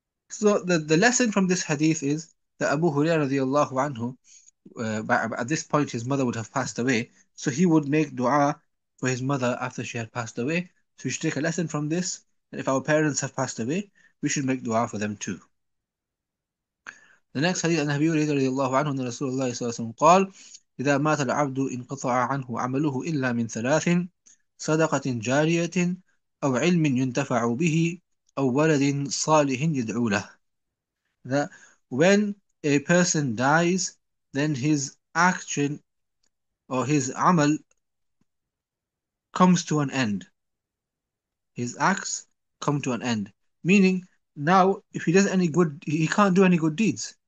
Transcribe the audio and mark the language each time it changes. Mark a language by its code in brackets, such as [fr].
[en] So the lesson from this hadith is that Abu Huraira radiallahu anhu, at this point, his mother would have passed away, so he would make dua for his mother after she had passed away. So we should take a lesson from this, and if our parents have passed away, we should make dua for them too. The next hadith, [ar] Nabi Hurairah radiallahu anhu, and Rasulullah sallallahu alaihi wasallam qal, إذا مات العبد انقطع عنه عمله إلا من ثلاث: صدقة جارية أو علم ينتفع به أو ولد صالح يدعو له. [en] That when a person dies, then his action or his amal comes to an end. his acts come to an end. Meaning, now if he does any good, he can't do any good deeds.